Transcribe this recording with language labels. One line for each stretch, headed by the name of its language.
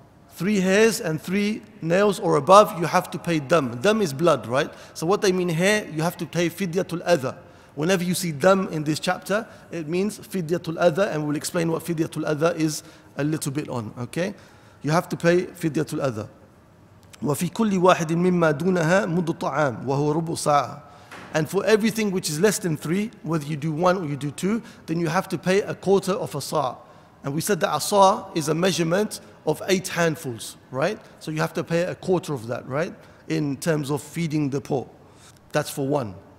English: Three hairs and three nails or above, you have to pay them. Them is blood, right? So what they mean here, you have to pay fidyatul adha. Whenever you see them in this chapter, it means fidyatul adha, and we'll explain what fidyatul adha is a little bit on, okay? You have to pay fidyatul adha.
Arabic: وفي كل واحد مما دونها مد طعام وهو ربع ساعة.
English: And for everything which is less than three, whether you do one or you do two, then you have to pay a quarter of a sa'. And we said that a sa' is a measurement of eight handfuls, right? So you have to pay a quarter of that, right? In terms of feeding the poor. That's for one.